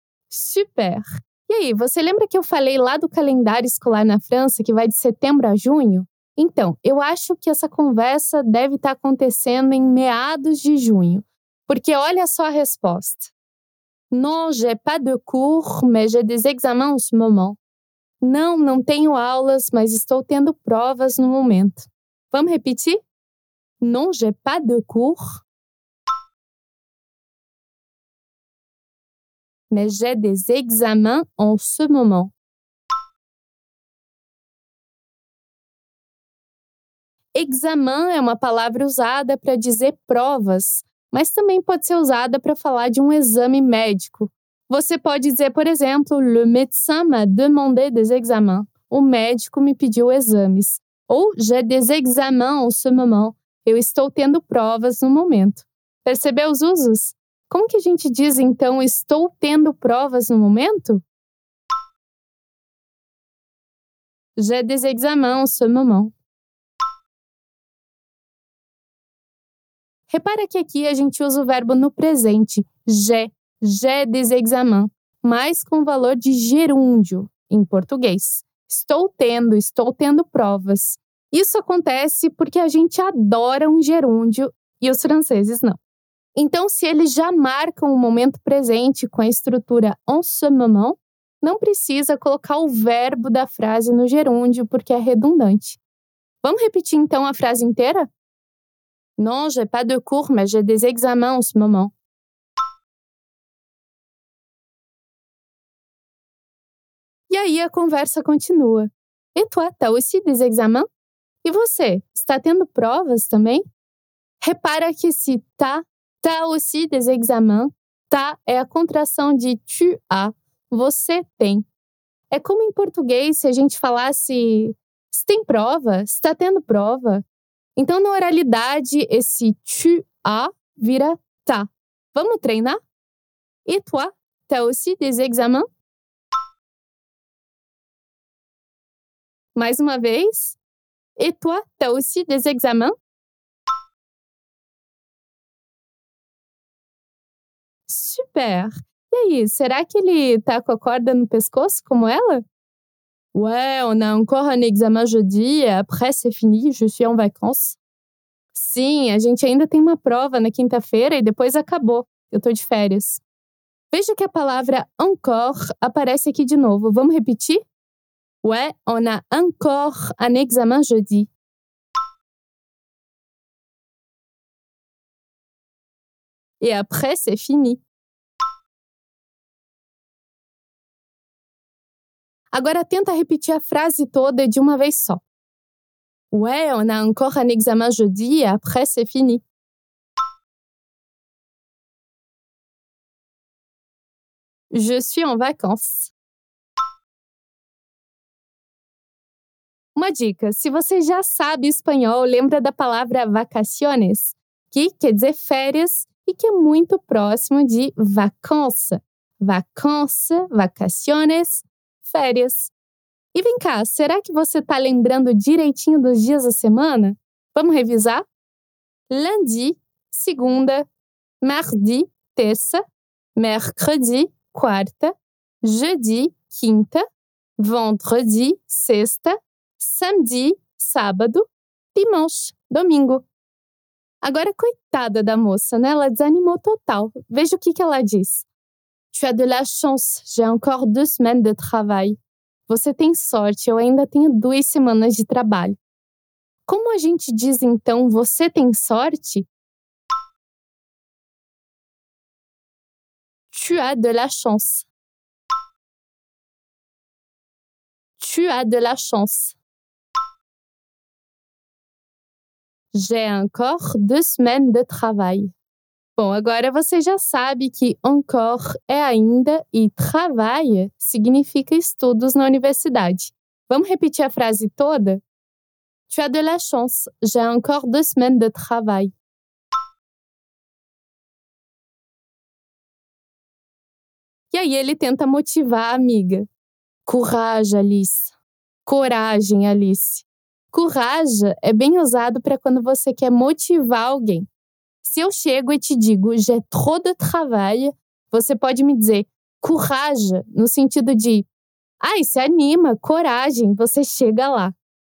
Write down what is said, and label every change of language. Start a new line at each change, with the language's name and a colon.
Portuguese: Super! E aí, você lembra que eu falei lá do calendário escolar na França, que vai de setembro a junho? Então, eu acho que essa conversa deve estar acontecendo em meados de junho. Porque olha só a resposta.
French: Non, j'ai pas de cours, mais j'ai des examens en ce moment.
Portuguese: Não, não tenho aulas, mas estou tendo provas no momento. Vamos repetir?
French: Non, j'ai pas de cours, mais j'ai des examens en ce moment.
Portuguese: Examen é uma palavra usada para dizer provas. Mas também pode ser usada para falar de um exame médico. Você pode dizer, por exemplo,
French: Le médecin m'a demandé des examens.
Portuguese: O médico me pediu exames.
French: Ou j'ai des examens en ce moment.
Portuguese: Eu estou tendo provas no momento. Percebeu os usos? Como que a gente diz, então, estou tendo provas no momento?
French: J'ai des examens en ce moment.
Portuguese: Repara que aqui a gente usa o verbo no presente,
French: j'ai des examens,
Portuguese: mas com o valor de gerúndio, em português. Estou tendo provas. Isso acontece porque a gente adora um gerúndio e os franceses não. Então, se eles já marcam o momento presente com a estrutura
French: en ce moment,
Portuguese: não precisa colocar o verbo da frase no gerúndio porque é redundante. Vamos repetir então a frase inteira?
French: Non, j'ai pas de cours, mais j'ai des examens en ce moment.
Portuguese: E aí a conversa continua.
French: Et toi, t'as aussi des examens?
Portuguese: E você, está tendo provas também? Repara que esse
French: t'as aussi des examens,
Portuguese: t'as é a contração de tu as, você tem. É como em português se a gente falasse se tem prova, se está tendo prova. Então, na oralidade, esse tu a vira ta. Vamos treinar?
French: Et toi, t'as aussi des examens?
Portuguese: Mais uma vez.
French: Et toi, t'as aussi des examens?
Portuguese: Super! E aí, será que ele tá com a corda no pescoço como ela?
French: Ouais, on a encore un examen jeudi et après c'est fini, je suis en vacances.
Portuguese: Sim, a gente ainda tem uma prova na quinta-feira e depois acabou. Eu tô de férias. Veja que a palavra encore aparece aqui de novo. Vamos repetir?
French: Ouais, on a encore un examen jeudi. Et après c'est fini.
Portuguese: Agora tenta repetir a frase toda de uma vez só.
French: Ouais, on a encore un examen jeudi et après c'est fini. Je suis en vacances.
Portuguese: Uma dica, se você já sabe espanhol, lembra da palavra vacaciones, que quer dizer férias e que é muito próximo de vacances. Vacances, vacaciones. Férias. E vem cá, será que você está lembrando direitinho dos dias da semana? Vamos revisar? Lundi, segunda. Mardi, terça. Mercredi, quarta. Jeudi, quinta. Vendredi, sexta. Samedi, sábado. dimanche, domingo. Agora, coitada da moça, né? Ela desanimou total. Veja o que ela diz.
French: Tu as de la chance, j'ai encore 2 semaines de travail.
Portuguese: Você tem sorte, eu ainda tenho 2 semanas de trabalho. Como a gente diz, então, você tem sorte?
French: Tu as de la chance. Tu as de la chance. J'ai encore 2 semaines de travail.
Portuguese: Bom, agora você já sabe que encore é ainda e travail significa estudos na universidade. Vamos repetir a frase toda?
French: Tu as de la chance. J'ai encore 2 semaines de travail.
Portuguese: E aí ele tenta motivar a amiga. Courage, Alice. Coragem, Alice. Courage é bem usado para quando você quer motivar alguém. Se eu chego e te digo
French: j'ai trop de travail,
Portuguese: você pode me dizer courage, no sentido de ai, se anima, coragem, você chega lá.